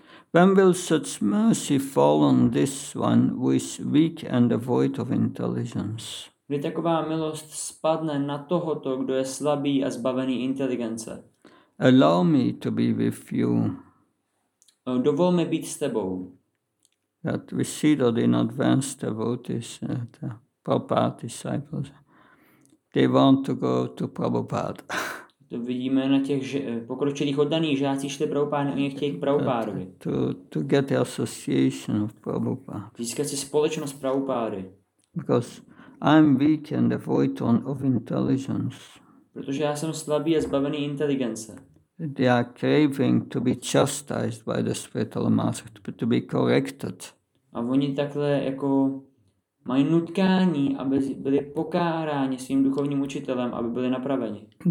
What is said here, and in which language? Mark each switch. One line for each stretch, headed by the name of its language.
English: When will such mercy fall on this one who is weak and devoid of intelligence?
Czech: Kdy taková milost spadne na tohoto, kdo je slabý a zbavený inteligence?
English: Allow me to be with you.
Czech: Dovolme být s tebou.
English: That we see that in advanced devotees, the Prabhupada disciples, they want to go to Prabhupada.
Czech: To vidíme na těch pokročilých oddaných žáci, šli Prabhupáda, oni chtějí k Prabhupádovi.
English: To get the association of Prabhupáda.
Czech: Získat si společnost Prabhupády.
English: Because I'm weak and devoid of intelligence.
Czech: Protože já jsem slabý a zbavený inteligence.
English: They are craving to be chastised by the spiritual master, to be corrected.
Czech: A oni takhle jako mají nutkání, aby byli pokáráni svým duchovním učitelem, aby byli napraveni.